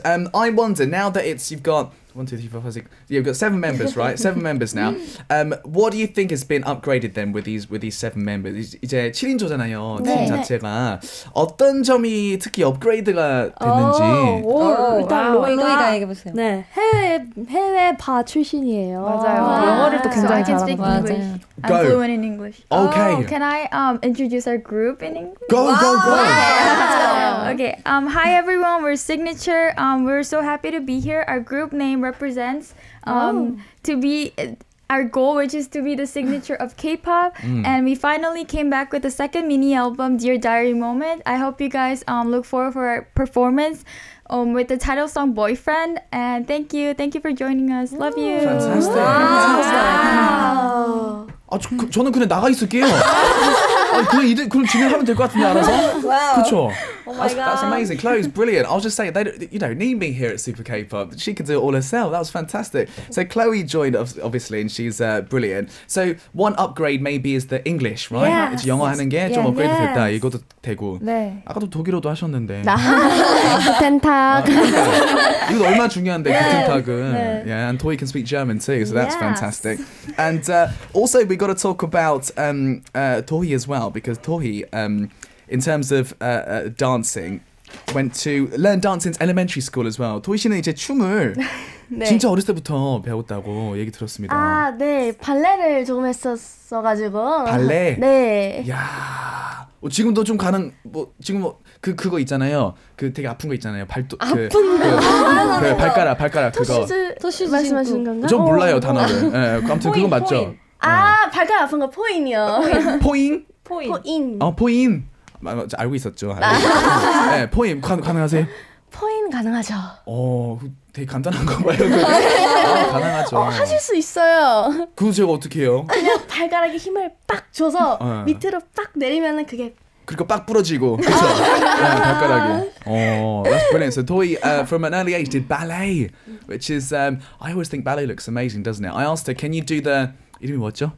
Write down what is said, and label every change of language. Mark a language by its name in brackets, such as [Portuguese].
[English] I wonder, now that it's, you've got 1, 2, 3, 4, 5, 6, yeah, you've got 7 members, right? 7 members now. What do you think has been upgraded then with these 7 members? [Korean] 이제 7인조잖아요, 네. 팀 자체가. 어떤 점이 특히 업그레이드가 됐는지. 일단 로이가 얘기해보세요. 네, 해외 바 출신이에요. 맞아요. 와. 영어를 또 굉장히 잘하는 거 같아요. [English] Go. I'm fluent in English. Okay. Oh, can I introduce our group in English? Go, go, go. Okay. Hi, everyone. We're Signature. We're so happy to be here. Our group name represents to be our goal, which is to be the signature of K-pop. And we finally came back with the second mini album, Dear Diary Moment. I hope you guys look forward for our performance. With the title song Boyfriend, and thank you for joining us. Love you. Fantastic. Wow. [Korean] 저는 그냥 나가 있을게요. 그럼 진행하면 될 것 같은데 알아서. [English] Wow. [Korean] 그쵸? [English] Oh my that's, god. That's amazing. Chloe's brilliant. I'll just say they don't, you don't need me here at Super K-pop. She can do it all herself. That was fantastic. So Chloe joined obviously, and she's brilliant. So one upgrade maybe is the English, right? Yes. It's [Korean] 영어 하는 게 좀 업그레이드 됐다. 이것도 되고. 네. 아까도 독일어도 하셨는데. 나. 구텐탁. 이거 얼마 중요한데 구텐탁은. [English] Yeah. And Toy can speak German too, so that's fantastic. And also we got to talk about Toy as well. Because Tohi, in terms of dancing, went to learn dance since elementary school as well. [Korean] Tohi 씨는 이제 춤을 네. 진짜 어렸을 때부터 배웠다고 얘기 들었습니다. 아, 네, 발레를 조금 했었어 가지고. 발레. 네. 야, 지금도 좀 가능. 뭐 지금 뭐 그거 있잖아요. 그 되게 아픈 거 있잖아요. 발도. 아픈 거. 그 발가락 그거. 토시즈 말씀하시는 건가? 좀 몰라요 단어를. 예, 네, 아무튼 그거 맞죠. 아, 발가락 아픈 거 포인이요. 포인? 포인. 포인. 포인. 알고 있었죠. 알고 있었죠. 네, 포인 가능하세요? 포인 가능하죠. 되게 간단한 건가요? 가능하죠. 하실 수 있어요. 그럼 제가 어떻게 해요? 그냥 발가락에 힘을 빡 줘서 밑으로 빡 내리면은 그게 그리고 빡 부러지고 그쵸? 발가락이 [English] That's brilliant. So Toi, from an early age did ballet, which is, I always think ballet looks amazing, doesn't it? I asked her, can you do the, [Korean] 이름이 뭐였죠?